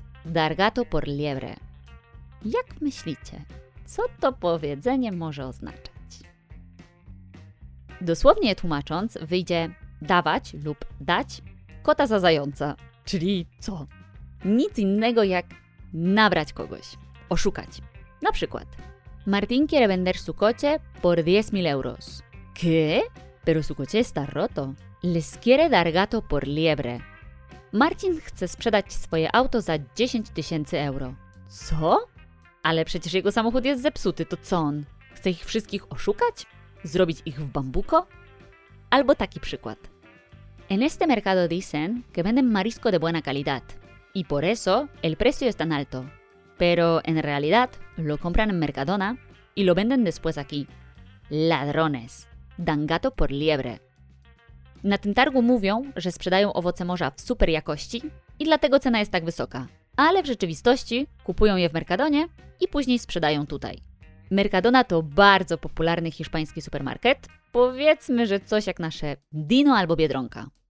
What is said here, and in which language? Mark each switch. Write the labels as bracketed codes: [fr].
[es] Dar gato por liebre. [pl] Jak myślicie, co to powiedzenie może oznaczać? Dosłownie tłumacząc, wyjdzie dawać lub dać kota za zająca. Czyli co? Nic innego jak nabrać kogoś. Oszukać. Na przykład. [es] Martin quiere vender su coche por 10.000 euros. ¿Qué? Pero su coche está roto. Les quiere dar gato por liebre. [pl] Marcin chce sprzedać swoje auto za 10 tysięcy euro. Co? Ale przecież jego samochód jest zepsuty, to co on? Chce ich wszystkich oszukać? Zrobić ich w bambuko? Albo taki przykład. [es] En este mercado dicen que venden marisco de buena calidad. Y por eso el precio es tan alto. Pero en realidad lo compran en Mercadona y lo venden después aquí. Ladrones. Dan gato por liebre. [pl] Na tym targu mówią, że sprzedają owoce morza w super jakości i dlatego cena jest tak wysoka. Ale w rzeczywistości kupują je w Mercadonie i później sprzedają tutaj. Mercadona to bardzo popularny hiszpański supermarket. Powiedzmy, że coś jak nasze Dino albo Biedronka.